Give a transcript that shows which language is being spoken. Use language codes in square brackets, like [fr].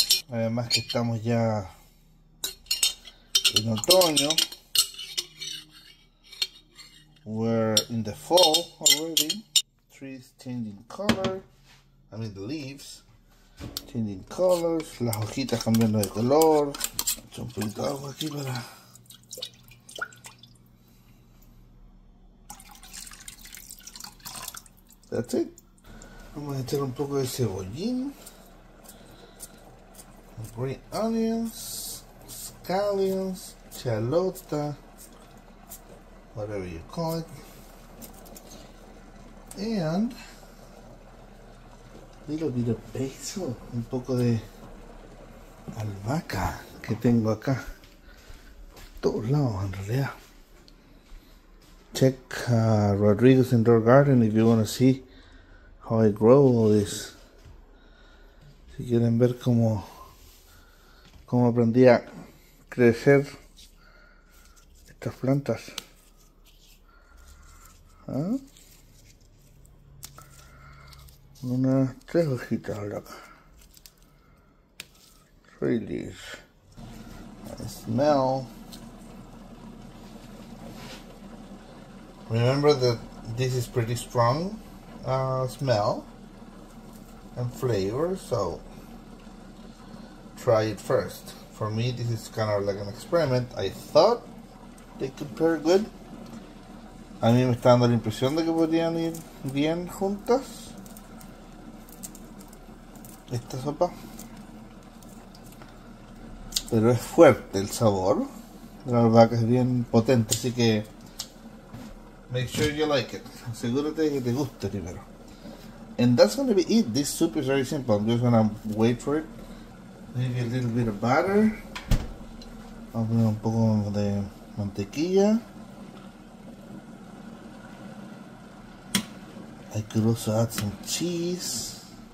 [es] Además que estamos ya en otoño. [en] We're in the fall already. Trees changing color. I mean the leaves changing colors. [es] Las hojitas cambiando de color. Echo un poquito de agua aquí para. [en] That's it. [es] Vamos a echar un poco de cebollín, [en] green onions, scallions, [es] chalota, [en] whatever you call it, and a little bit of basil, [es] un poco de albahaca que tengo acá por todos lados en realidad. [en] Check Rodrigo's Indoor Garden if you want to see how I grow all this. [es] Si quieren ver cómo aprendí a crecer estas plantas. ¿Ah? Unas tres hojitas ahora acá. [en] Really. I smell. Remember that this is pretty strong. Smell and flavor, so try it first. For me, this is kind of like an experiment. I thought they could pair good. [es] A mí me está dando la impresión de que podrían ir bien juntas. Esta sopa. Pero es fuerte el sabor. La verdad que es bien potente, así que [en] make sure you like it. [es] Asegúrate de que te guste primero. [en] And that's gonna be it. This soup is very simple. I'm just gonna wait for it. Maybe a little bit of butter. [es] Vamos a poner un poco de mantequilla. [en] I could also add some cheese.